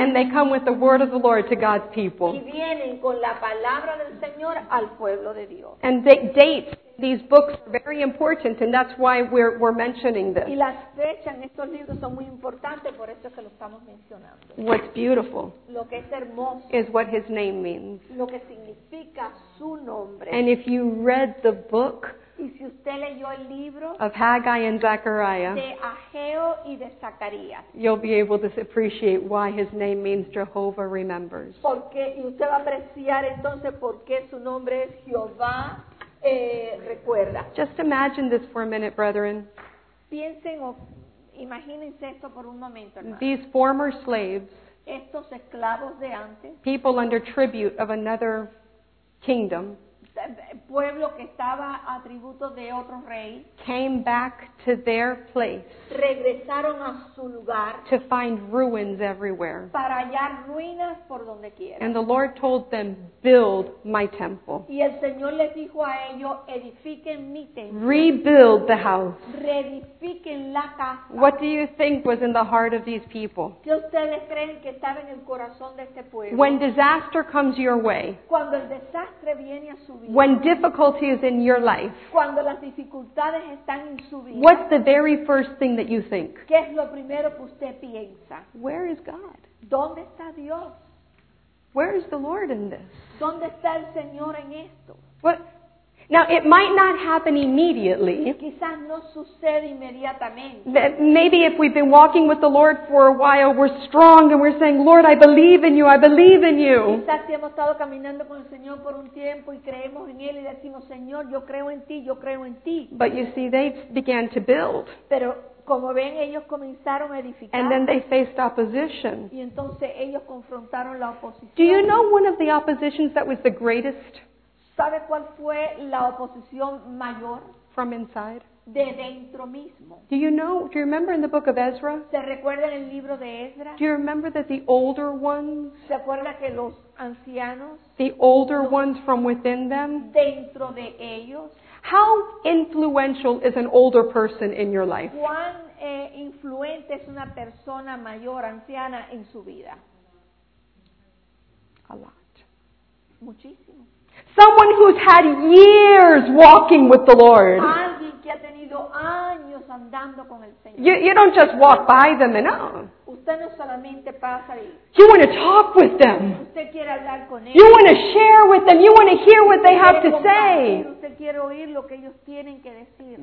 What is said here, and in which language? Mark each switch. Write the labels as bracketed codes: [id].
[en] And they come with the word of the Lord to God's people. [es] Y vienen con la palabra del Señor al pueblo de Dios. [en] And the dates, these books are very important, and that's why we're mentioning this. [es] Y las fechas en estos libros son muy importantes, por eso es que lo estamos mencionando. [en] What's beautiful, [es] lo que es hermoso, [en] is what his name means. [es] Lo que significa su nombre. [en] And if you read the book, [es] y si usted leyó el libro, [en] of Haggai and Zechariah, [es] de Ageo y de Zacarías, [en] you'll be able to appreciate why his name means Jehovah remembers. [es] Porque, y usted va a apreciar entonces por qué su nombre es Jehová. Recuerda. [en] Just imagine this for a minute, brethren. [es] Piensen o imagínense esto por un momento, hermano. [en] These former slaves, [es] estos esclavos de antes, [en] people under tribute of another kingdom, [es] pueblo que estaba a tributo de otro rey, [en] came back to their place, [es] regresaron a su lugar, [en] to find ruins everywhere, [es] para hallar ruinas por donde quiera. [en] And the Lord told them, build my temple. [es] Y el Señor les dijo a ellos, edifiquen mi templo. [en] Rebuild the house. [es] Reedifiquen la casa. [en] What do you think was in the heart of these people? [es] ¿Qué ustedes creen que estaba en el corazón de este pueblo? [en] When disaster comes your way, [es] cuando el desastre viene a su vida, [en] when difficulty is in your life, [es] cuando las dificultades están en su vida, [en] what's the very first thing that you think? [es] ¿Qué es lo primero que usted piensa? [en] Where is God? [es] ¿Dónde está Dios? [en] Where is the Lord in this? [es] ¿Dónde está el Señor en esto? [en] What? Now, it might not happen immediately. [es] Quizás no sucede inmediatamente. [en] Maybe if we've been walking with the Lord for a while, we're strong and we're saying, Lord, I believe in you, I believe in you. [es] Quizás si hemos estado caminando con el Señor por un tiempo y creemos en Él y decimos, Señor, yo creo en ti, yo creo en ti. [en] But you see, they began to build. [es] Pero como ven, ellos comenzaron a edificar. [en] And then they faced opposition. [es] Y entonces ellos confrontaron la oposición. [en] Do you know one of the oppositions that was the greatest? [es] ¿Sabe cuál fue la oposición mayor? [en] From inside. [es] De dentro mismo. [en] Do you know? Do you remember in the book of Ezra? [es] ¿Se recuerda en el libro de Ezra? [en] Do you remember that the older ones? [es] ¿Se acuerda que los ancianos? [en] The older ones from within them. [es] Dentro de ellos. [en] How influential is an older person in your life? [es] ¿Cuán influente es una persona mayor, anciana, en su vida? [en] A lot. [es] Muchísimo. [en] Someone who's had years walking with the Lord. [es] Alguien que ha tenido años andando con el Señor. [en] You don't just walk by them and oh. [es] Usted no solamente pasa ahí. [en] You want to talk with them. [es] Usted quiere hablar con ellos. [en] You want to share with them. You want to hear what they have to say. [es] Usted quiere oír lo que ellos tienen que decir.